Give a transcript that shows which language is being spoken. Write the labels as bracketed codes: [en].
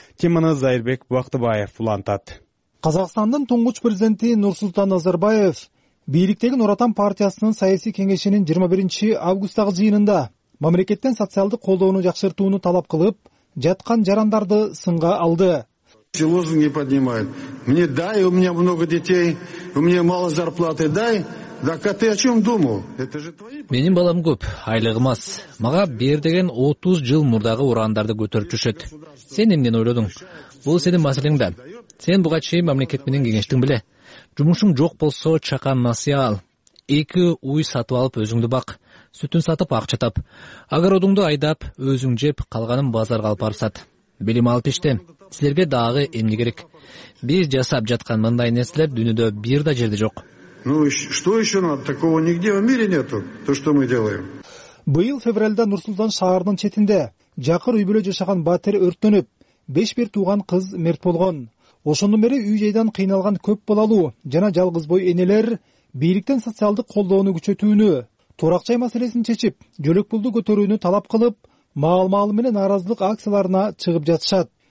[ky] Теманы Зайырбек Бактыбаев улантат. Казакстандын туңгуч президенти Нурсултан Назарбаев бийликтеги Нур Отан партиясынын саясий кеңешинин 21 августтагы жыйынында мамлекеттен социалдык колдоону жакшыртууну талап кылып, жаткан жарандарды сынга алды. [ru] Эти лозунги поднимают. Мне дай, у меня много детей, у меня мало зарплаты, дай. Так а ты о чем думал? Это же твои... [ky] Менин балам көп, айлыгым аз. Мага бер деген 30 жыл мурдагы урандарды көтөрчүшөт. Сен эмнени ойлодуң? Бул сенин маселең да. Сен буга чейин мамлекет менен кеңештиң беле? Жумушуң жок болсо чакан насыя ал. Эки уй сатып алып өзүңдү бак. Сүтүн сатып акча тап. Агородуңду айдап, өзүң жеп, калганын базарга алып барсат. Билим алып иште. Силерге дагы эмне керек? Биз жасап жаткан мындай нерселер дүйнөдө бир да жерде жок. [ru] Ну, что ещё надо? Такого нигде в мире нету, то что мы делаем. [ky] Быйыл февралда Нур-Султан шаарынын четинде жакыр үй бүлө жашаган батир өрттөнүп, 5 бир тууган кыз мерт болгон. Ошондон бери үй жайдан кыйналган көп балалуу жана жалгыз бой энелер бийликтен социалдык колдоону күчөтүүнү, турак жай маселесин чечип, жөлөк пулду көтөрүүнү талап кылып, маал-маалы менен нааразылык акцияларына чыгып жатышат.